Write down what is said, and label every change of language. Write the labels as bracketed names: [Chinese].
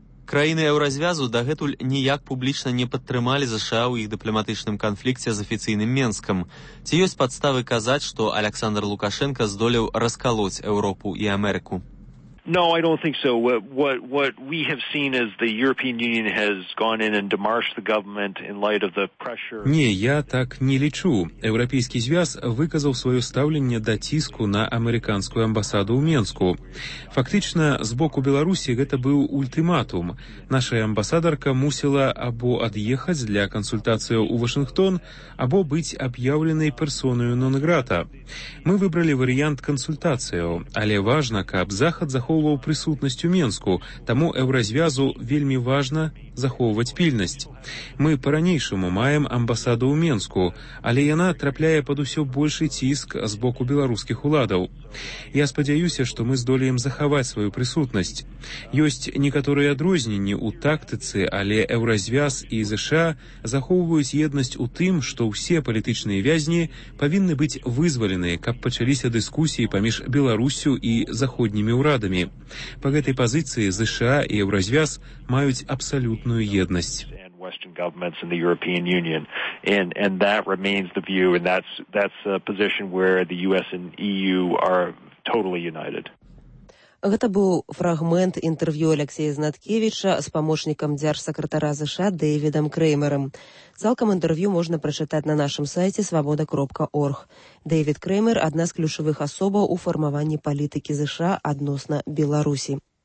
[Belarusian] Краіны еўразвязу дагэтуль ніяк публічна не падтрымалі ЗША ў іх дыпламатычным канфлікце з афіцыйным Менскам. Ці ёсць падставы казаць, што Аляксандр Лукашэнка здолеў раскалоць Еўропу і Амерыку? [English] No, I don't think so. What we have seen is the European Union has gone in and demarched the government in light of the pressure. [Belarusian] Не, я так не лічу. Еўрапейскі звяз выказаў сваё стаўленне да ціску на амерыканскую амбасаду ў Менску. Фактычна, з боку Беларусі гэта быў ультыматум. Наша амбасадарка мусіла або ад'ехаць для кансультацыі ў Вашынгтон, або быць аб'яўленай персонаю нон-грата. Мы выбралі варыянт кансультацыі, але важна, каб Захад захоўваў прысутнасць у Менску, таму еўразвязу вельмі важна захоўваць пільнасць. Мы па-ранейшаму маем амбасаду ў Менску, але яна трапляе пад усё большы ціск з боку беларускіх уладаў. Я спадзяюся, што мы здолеем захаваць сваю прысутнасць. Ёсць некаторыя адрозненні ў тактыцы, але еўразвяз і ЗША захоўваюць єднасць у тым, што ўсе палітычныя вязні павінны быць вызвалены, каб пачаліся дыскусіі паміж Беларусю і заходнімі ўрадамі. Па гэтай пазіцыі ЗША і еўразвяз маюць абсалютную єднасць. [English] Western governments and the European Union, and that remains the view, and that's a position where the US and EU are totally united. [Belarusian] Гэта быў фрагмент інтэрв'ю Алексея Знаткевіча з памочнікам дзяржсакратара США Дэвідам Крэймерам. Цалкам інтэрв'ю можна прачытаць на нашым сайце свабода.орг. Дэвід Крэймер – адна з ключавых асобаў у фармаванні палітыкі США адносна Беларусі.